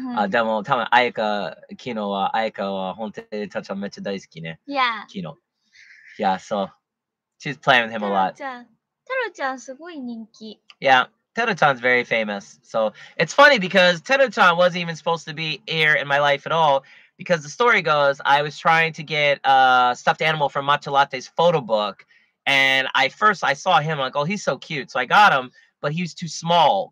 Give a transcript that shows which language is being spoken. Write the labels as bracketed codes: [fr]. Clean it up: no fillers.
[ja] でも、たぶん、アイカは本当にタロちゃんめっちゃ大好きね。 [en] Yeah. [ja] 昨日。 [en] Yeah, so she's playing with him a lot. [ja] タロちゃんすごい人気。 [en] Yeah, タロちゃん is very famous. So it's funny because タロちゃん wasn't even supposed to be here in my life at all because the story goes, I was trying to get a stuffed animal from Matcha Latte's photo book. And I saw him, I'm like, oh, he's so cute. So I got him, but he was too small.